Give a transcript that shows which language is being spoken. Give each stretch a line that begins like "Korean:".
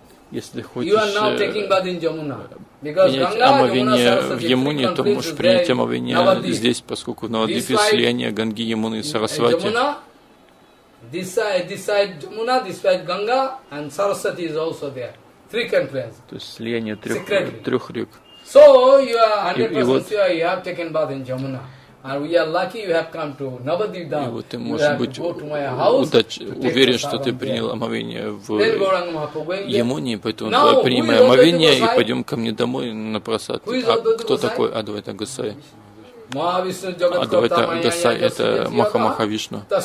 Russian: Если хочешь принять омовение в Ямуне, то можешь принять омовение здесь, поскольку в Навадвипе слияние Ганги, Ямуны и Сарасвати.
English: This side Jamuna, this side Ganga, and Saraswati is also there. Three confluences.
Russian: То есть слияние трех рек.
English: So you are 100% sure you have taken bath in Jamuna. And we are lucky you have come to Navadvip Dham.
Russian: И вот ты можешь быть уверен, что ты принял омовение в Ямуне, поэтому давай принимай омовение и пойдем ко мне домой на прасад. А кто такой Адвайта Гасай? Адвайта Гасай – это Маха-Маха-Вишну.